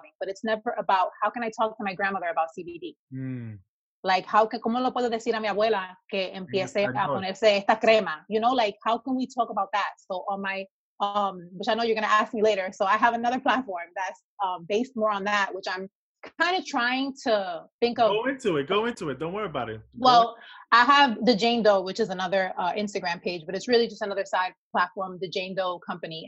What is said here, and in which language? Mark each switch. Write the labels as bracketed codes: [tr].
[en] But it's never about how can I talk to my grandmother about CBD? Mm. [es] Like, ¿cómo lo puedo decir a mi abuela que empiece a ponerse esta crema? [en] You know, like, how can we talk about that? So on my, which I know you're going to ask me later. So I have another platform that's based more on that, which I'm kind of trying to think of. Go into it. Don't worry about it. I have the Jane Doe, which is another Instagram page, but it's really just another side platform, the Jane Doe Company.